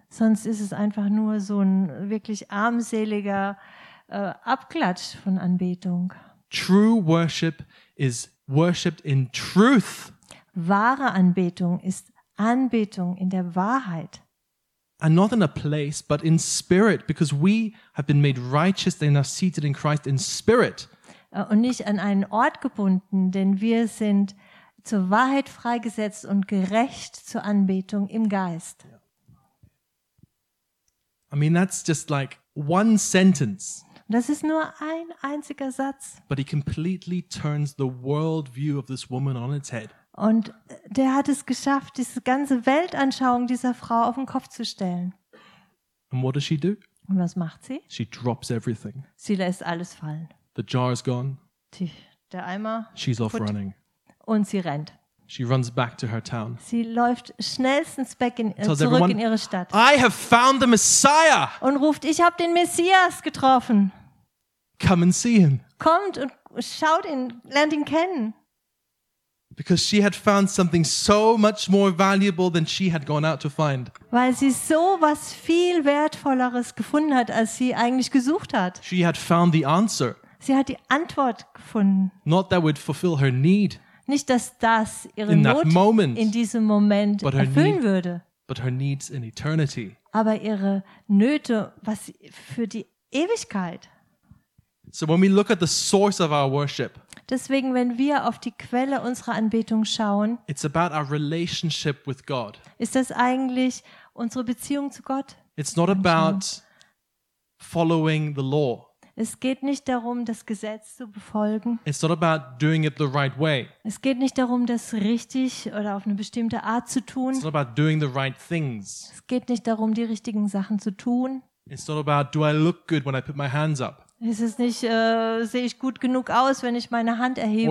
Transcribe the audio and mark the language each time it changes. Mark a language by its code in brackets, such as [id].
[de] Sonst ist es einfach nur so ein wirklich armseliger Abklatsch von Anbetung. [en] True worship is worshiped in truth. [de] Wahre Anbetung ist Anbetung in der Wahrheit. [en] And not in a place, but in spirit, because we have been made righteous and are seated in Christ in spirit. [de] Und nicht an einen Ort gebunden, denn wir sind zur Wahrheit freigesetzt und gerecht zur Anbetung im Geist. [en] I mean, that's just like one sentence. [de] Das ist nur ein einziger Satz. [en] But he completely turns the worldview of this woman on its head. [de] Und der hat es geschafft, diese ganze Weltanschauung dieser Frau auf den Kopf zu stellen. [en] And what does she do? [de] Und was macht sie? [en] She drops everything. [de] Sie lässt alles fallen. [en] The jar is gone. [de] Der Eimer. [en] She's off running. [de] Und sie rennt. [en] She runs back to her town. [de] Sie läuft schnellstens back zurück [en] everyone, [de] in ihre Stadt. [en] I have found the Messiah. [de] Und ruft, ich habe den Messias getroffen. [en] Come and see him. [de] Kommt und schaut ihn, lernt ihn kennen. [en] Because she had found something so much more valuable than she had gone out to find. [de] Weil sie so was viel Wertvolleres gefunden hat, als sie eigentlich gesucht hat. [en] She had found the answer. [de] Sie hat die Antwort gefunden. [en] Not that would fulfill her need. [de] Nicht, dass das ihre Not [en] moment, [de] in diesem Moment erfüllen [en] need, [de] würde. [en] But her needs in eternity. [de] Aber ihre Nöte, was für die Ewigkeit. [en] So when we look at the source of our worship, [de] deswegen, wenn wir auf die Quelle unserer Anbetung schauen, [en] it's about our relationship with God. [de] Ist das eigentlich unsere Beziehung zu Gott? [en] It's not about following the law. [de] Es geht nicht darum, das Gesetz zu befolgen. [en] It's not about doing it the right way. [de] Es geht nicht darum, das richtig oder auf eine bestimmte Art zu tun. [en] It's not about doing the right things. [de] Es geht nicht darum, die richtigen Sachen zu tun. [en] It's not about, do I look good when I put my hands up? [de] Es ist nicht, sehe ich gut genug aus, wenn ich meine Hand erhebe?